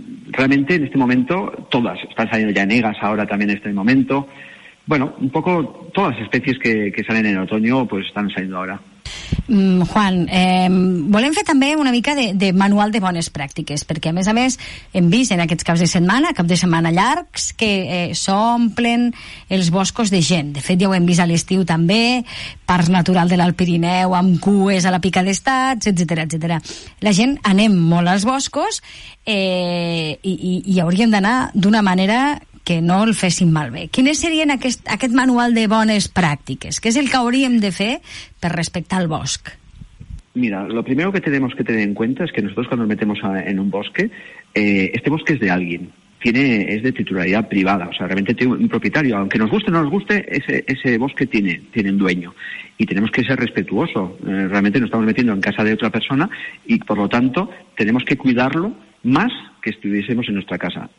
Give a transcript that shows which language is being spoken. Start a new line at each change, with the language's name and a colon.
Spanish: Realmente en este momento todas están saliendo, ya negras ahora también en este momento. Bueno, un poco todas las especies que salen en otoño pues están saliendo ahora.
Catalan: Juan, volem fer també una mica de manual de bones pràctiques, perquè a més hem vist en aquests caps de setmana llargs que s'omplen els boscos de gent. De fet, ja ho hem vist a l'estiu també, parcs naturals de l'Alt Pirineu amb cues a la Pica d'Estats, etc. La gent anem molt als boscos i hauríem d'anar d'una manera que no el fessin malbé. Quines serien aquest manual de bones pràctiques? Què és el que hauríem de fer per respectar el bosc?
Spanish: Mira, lo primero que tenemos que tener en cuenta es que nosotros cuando nos metemos en un bosque, este bosque es de alguien, es de titularidad privada, o sea, realmente tiene un propietario, aunque nos guste o no nos guste, ese bosque tiene un dueño, y tenemos que ser respetuosos, realmente nos estamos metiendo en casa de otra persona, y por lo tanto, tenemos que cuidarlo más que estuviésemos en nuestra casa.